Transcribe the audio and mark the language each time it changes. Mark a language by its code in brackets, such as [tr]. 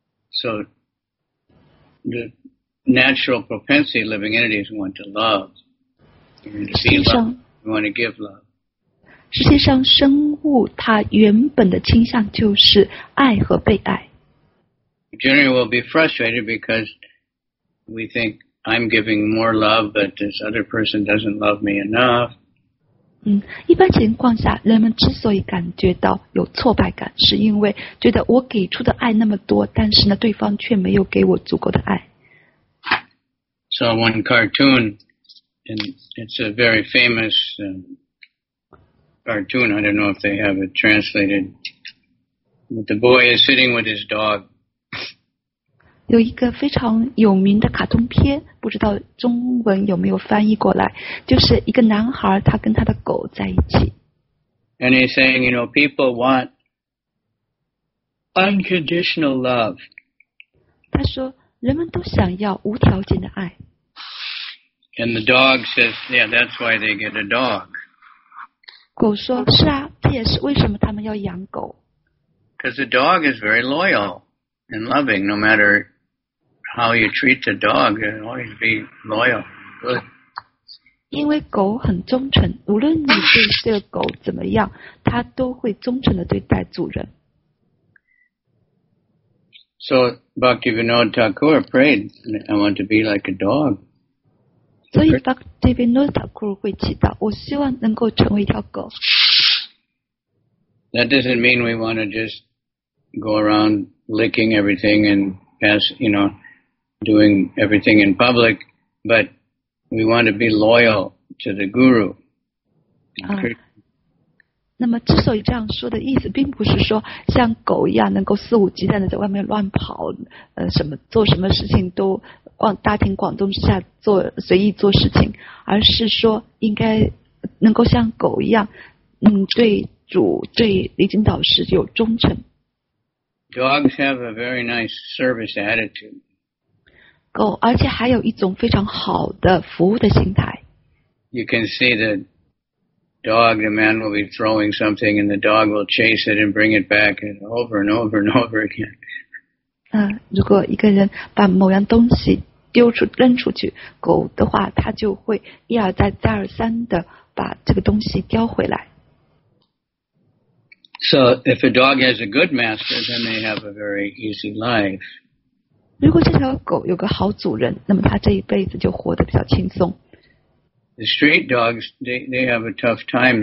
[en] So the natural propensity living entities want to love. We want to give love. [zh] 实际上生物它原本的倾向就是爱和被爱。 [en] Generally we'll be frustrated because we think I'm giving more love, but this other person doesn't love me enough. [zh] 一般情况下人们之所以感觉到有挫败感，是因为觉得我给出的爱那么多，但是呢对方却没有给我足够的爱。 [en] So one cartoon,And it's a very famous cartoon. I don't know if they have it translated. But the boy is sitting with his dog. [zh] 有一个非常有名的卡通片，不知道中文有没有翻译过来，就是一个男孩他跟他的狗在一起。 [en] And he's saying, you know, people want unconditional love. [zh] 他说，人们都想要无条件的爱。 [en] And the dog says, yeah, that's why they get a dog. [zh] 狗说，是啊，这也是为什么他们要养狗。 [en] Because the dog is very loyal and loving, no matter how you treat the dog, it'll always be loyal, good. [zh] 因为狗很忠诚，无论你对这个狗怎么样，它都会忠诚地对待主人。 [en] So, Bhaktivinoda Thakur prayed, I want to be like a dog. [zh] 所以 Bhaktivinoda Thakur 会祈祷，我希望能够成为一条狗。 [en] That doesn't mean we want to just go around licking everything and pass, you know, doing everything in public, but we want to be loyal to the guru. [zh] 那么之所以这样说的意思，并不是说像狗一样能够肆无忌惮的在外面乱跑，什么做什么事情都往大庭广众之下做随意做事情，而是说应该能够像狗一样，对主对离经导师有忠诚。 [en] Dogs have a very nice service attitude. [zh] 狗而且还有一种非常好的服务的心态。 [en] You can see the dog, the man will be throwing something and the dog will chase it and bring it back and over and over and over again. [zh] 如果一个人把某样东西丢出扔出去，狗的话，它就会一而再、再而三的把这个东西叼回来。 [en] So if a dog has a good master, then they have a very easy life. [zh] 如果这条狗有个好主人，那么它这一辈子就活得比较轻松。 [en] The street dogs, they have a tough time.